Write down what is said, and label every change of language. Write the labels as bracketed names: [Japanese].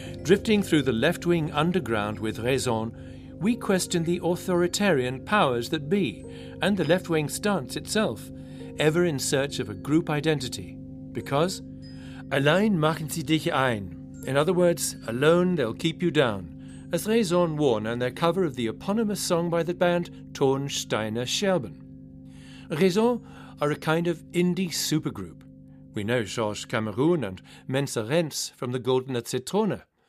[English] Drifting through the left-wing underground with Raison, we question the authoritarian powers that be and the left-wing stance itself, ever in search of a group identity. [German] Because, allein machen sie dich ein. [English] In other words, alone they'll keep you down. As Raison warn on their cover of the eponymous song by the band Tonsteiner Scherben. Raison are a kind of indie supergroup. We know Georges Cameroun and Mensa Rentz from the Goldene Zitrone.